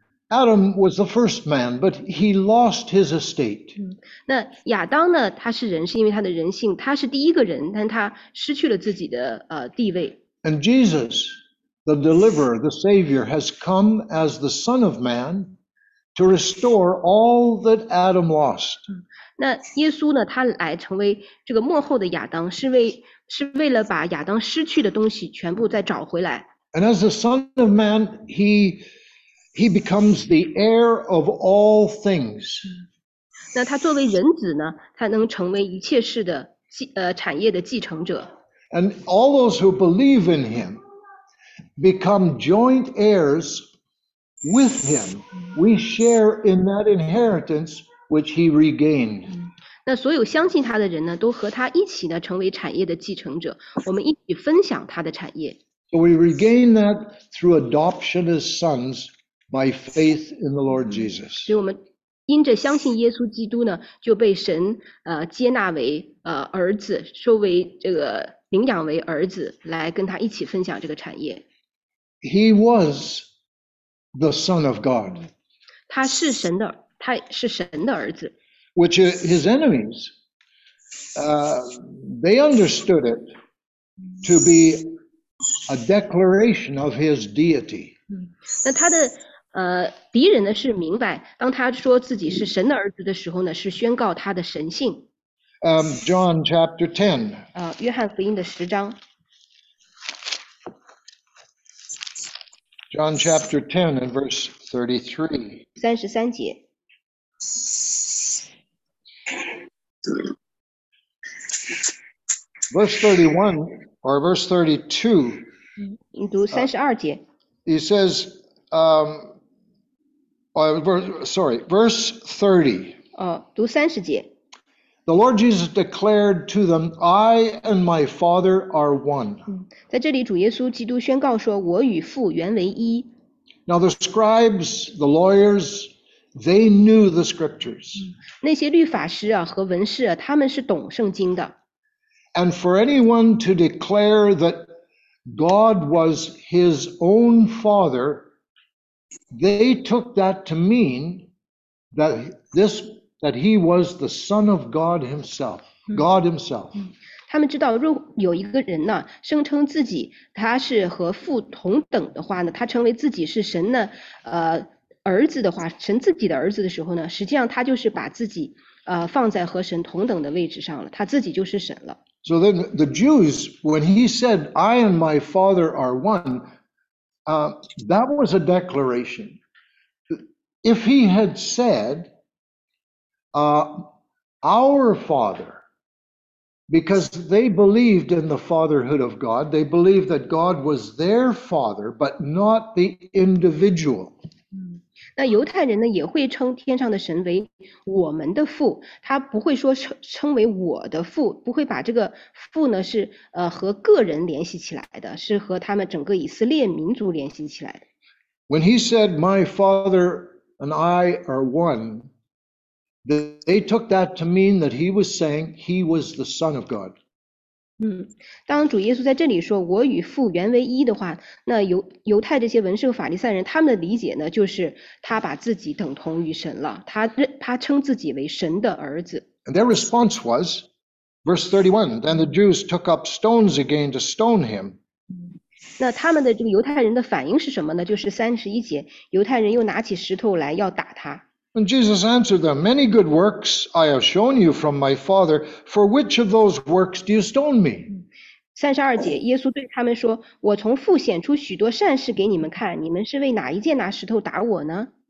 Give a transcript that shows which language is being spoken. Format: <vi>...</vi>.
<en>Adam was the first man, but he lost his estate.</en> <zh>那亚当呢，他是人，是因为他的人性，他是第一个人，但他失去了自己的地位。</zh> <en>And Jesus, the deliverer, the savior, has come as the Son of Man to restore all that Adam lost.</en> <zh>那耶稣呢，他来成为这个末后的亚当，是为了把亚当失去的东西全部再找回来。</zh> <en>And as the Son of Man, He becomes the heir of all things.</en> <zh>那他作为人子呢，他能成为一切事的产业的继承者。</zh> <en>And all those who believe in him become joint heirs with him. We share in that inheritance which he regained.</en> <zh>那所有相信他的人呢，都和他一起呢成为产业的继承者，我们一起分享他的产业。</zh> <en>So we regain that through adoption as sons. By faith in the Lord Jesus.</en> <zh>所以我们因着相信耶稣基督呢，就被神接纳为儿子，收为这个领养为儿子，来跟他一起分享这个产业。</zh> <en>He was the Son of God.</en> <zh>他是神的儿子。</zh> <en>Which his enemies, they understood it to be a declaration of his deity.</en> <zh>那他的敌人呢是明白，当他说自己是神的儿子的时候呢，是宣告他的神性。</zh> <en>John chapter 10.</en> <zh>约翰福音的十章。</zh> <en>John chapter 10 and verse 33.</en> <zh>三十三节。</zh> <en>Verse 31 or verse 32.</en> <zh>你读三十二节。</zh> <en>He says, verse 30.</en> <zh>读三十节。</zh> <en>The Lord Jesus declared to them, I and my Father are one.</en> <zh>在这里主耶稣基督宣告说，我与父原为一。</zh> <en>Now the scribes, the lawyers, they knew the scriptures.</en> <zh>那些律法师啊和文士啊，他们是懂圣经的。</zh> <en>And for anyone to declare that God was his own father,They took that to mean that he was the Son of God himself, God himself.</en> <zh>他们知道若有一个人呢，声称自己他是和父同等的话呢，他称为自己是神的儿子的话，神自己的儿子的时候呢，实际上他就是把自己放在和神同等的位置上了，他自己就是神了。</zh> <en>So then the Jews, when he said, I and my father are one,that was a declaration. If he had said, our Father, because they believed in the fatherhood of God, they believed that God was their father, but not the individual.</en> <zh>那犹太人呢也会称天上的神为我们的父，他不会说称为我的父，不会把这个父呢是和个人联系起来的，是和他们整个以色列民族联系起来的。</zh> <en>When he said, "My father and I are one," they took that to mean that he was saying he was the Son of God.</en> <zh>当主耶稣在这里说我与父原为一的话，那犹太这些文士和法利赛人他们的理解呢，就是他把自己等同于神了，他称自己为神的儿子。</zh> <en>And their response was, verse 31, then the Jews took up stones again to stone him.</en> <zh>那他们的这个犹太人的反应是什么呢？就是三十一节，犹太人又拿起石头来要打他。</zh> <en>And Jesus answered them, Many good works I have shown you from my Father. For which of those works do you stone me?</en> <zh>32节，耶稣对他们说，我从父显出许多善事给你们看，你们是为哪一件拿石头打我呢？</zh>